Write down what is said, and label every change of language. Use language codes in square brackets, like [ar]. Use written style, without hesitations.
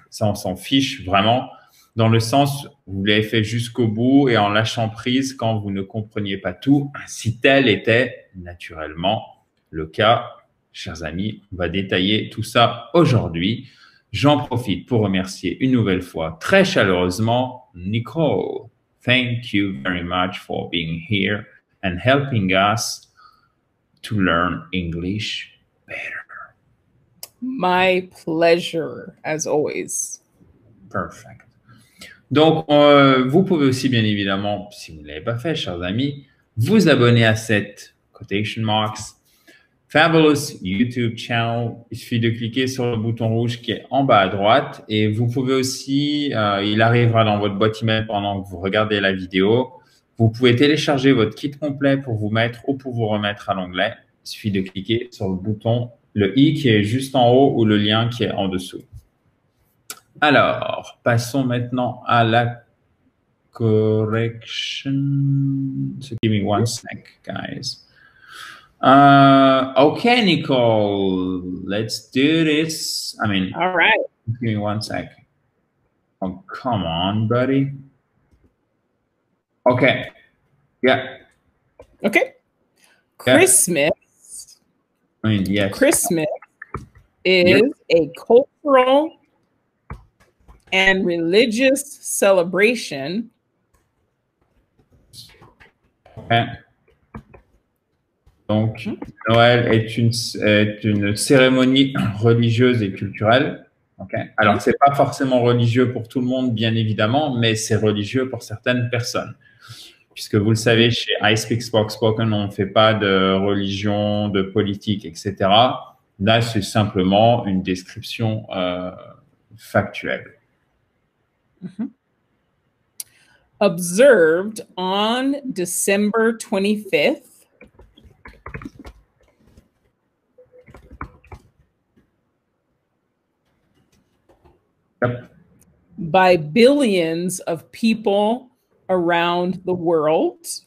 [fr] Ça, on s'en fiche vraiment. Dans le sens où vous l'avez fait jusqu'au bout et en lâchant prise quand vous ne compreniez pas tout. Si tel était naturellement le cas, chers amis, on va détailler tout ça aujourd'hui. J'en profite pour remercier une nouvelle fois très chaleureusement Nicole. [en] Thank you very much for being here and helping us to learn English better. My pleasure, as always. Perfect. [fr] Donc, vous pouvez aussi, bien évidemment, si vous ne l'avez pas fait, chers amis, vous abonner à cette [en] quotation marks Fabulous YouTube channel. [fr] Il suffit de cliquer sur le bouton rouge qui est en bas à droite et vous pouvez aussi, il arrivera dans votre boîte email pendant que vous regardez la vidéo. Vous pouvez télécharger votre kit complet pour vous mettre ou pour vous remettre à l'anglais. Il suffit de cliquer sur le bouton, le i qui est juste en haut ou le lien qui est en dessous. Alors, passons maintenant à la correction. [en] So give me one sec, guys. Okay, Nicole, let's do this. I mean, All right. give me one sec. Oh, come on, buddy. Okay. Yeah. Okay. Yeah. Christmas. I mean, yes. Christmas Yep. is a cultural and religious celebration Okay. [fr] Donc, Noël est une cérémonie religieuse et culturelle. Okay. Alors, ce n'est pas forcément religieux pour tout le monde, bien évidemment, mais c'est religieux pour certaines personnes. Puisque vous le savez, chez iSpeak Spoke Spoken, on ne fait pas de religion, de politique, etc. Là, c'est simplement une description factuelle. [en] Observed on December 25th, by billions of people around the world.